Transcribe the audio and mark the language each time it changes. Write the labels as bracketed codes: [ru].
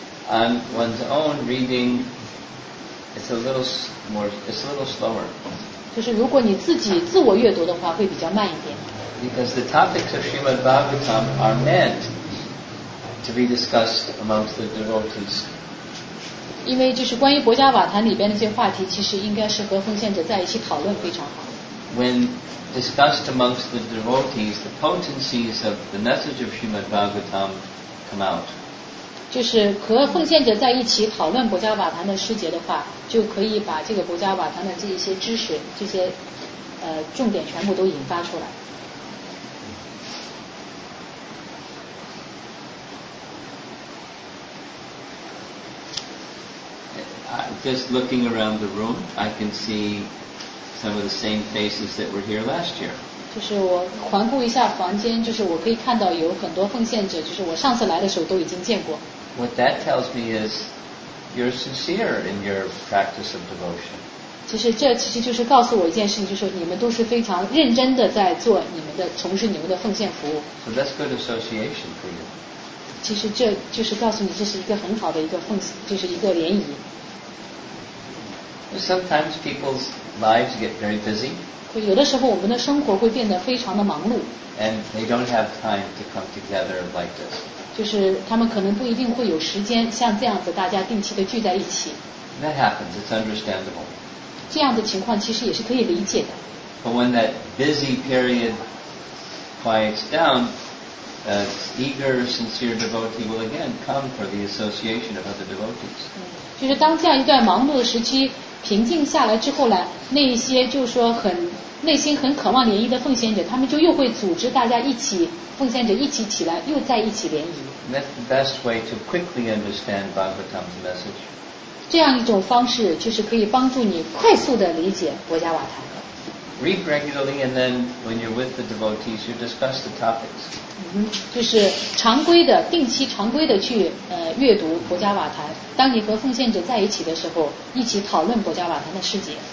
[en] On one's own reading, it's a little slower. [zh] 就是如果你自己自我阅读的话，会比较慢一点。 [en] Because the topics of Srimad Bhagavatam are meant to be discussed amongst the devotees. [zh] 因为就是关于《博伽瓦坛》里边的这些话题，其实应该是和奉献者在一起讨论非常好。 [en] When discussed amongst the devotees, the potencies of the message of Srimad Bhagavatam come out. [zh] 就是和奉献者在一起讨论博伽瓦坛的师节的话，就可以把这个博伽瓦坛的这一些知识，这些重点全部都引发出来。 [en] Just looking around the room, I can see some of the same faces that were here last year. [zh] 就是我环顾一下房间，就是我可以看到有很多奉献者，就是我上次来的时候都已经见过。 [en] What that tells me is you're sincere in your practice of devotion. [zh] 其实这其实就是告诉我一件事情，就是你们都是非常认真的在做你们的从事你们的奉献服务。 [en] So that's good association for you. [zh] 其实这就是告诉你这是一个很好的一个奉献，就是一个联谊。 [en] Sometimes people'slives get very busy. [zh] 对，有的时候我们的生活会变得非常的忙碌。 [en] And they don't have time to come together like this. [zh] 就是他们可能不一定会有时间像这样子大家定期的聚在一起。 [en] That happens. It's understandable. [zh] 这样的情况其实也是可以理解的。 [en] But when that busy period quiets down, eager, sincere devotee will again come for the association of other devotees. [zh] 就是当这样一段忙碌的时期平静下来之后呢，那一些就是说很内心很渴望联谊的奉献者，他们就又会组织大家一起，奉献者一起起来，又在一起联谊。 [en] That's the best way to quickly understand Bhagavatam's message. [zh] 这样一种方式就是可以帮助你快速的理解博伽瓦坛。 [en] Read regularly, and then when you're with the devotees, you discuss the topics. [zh] 就是常规的、定期、常规的去阅读博伽瓦坛。当你和奉献者在一起的时候，一起讨论博伽瓦坛的事节。